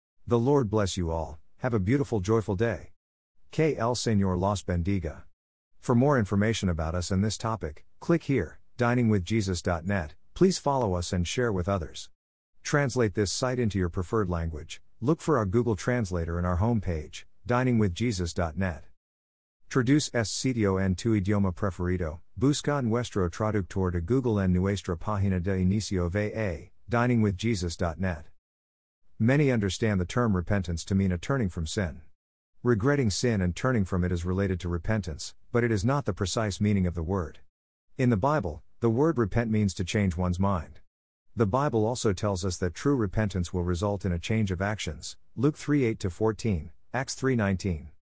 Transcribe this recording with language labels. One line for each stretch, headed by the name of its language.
English: The Lord bless you all, have a beautiful, joyful day.
Spanish: Que el Señor los bendiga.
English: For more information about us and this topic, click here, diningwithjesus.net, please follow us and share with others. Translate this site into your preferred language, look for our Google Translator in our homepage, diningwithjesus.net.
Spanish: Traduce este sitio en tu idioma preferido, busca nuestro traductor de Google en nuestra página de inicio VA, diningwithjesus.net.
English: Many understand the term repentance to mean a turning from sin. Regretting sin and turning from it is related to repentance, but it is not the precise meaning of the word. In the Bible, the word repent means to change one's mind. The Bible also tells us that true repentance will result in a change of actions, Luke 3:8-14, Acts 3:19.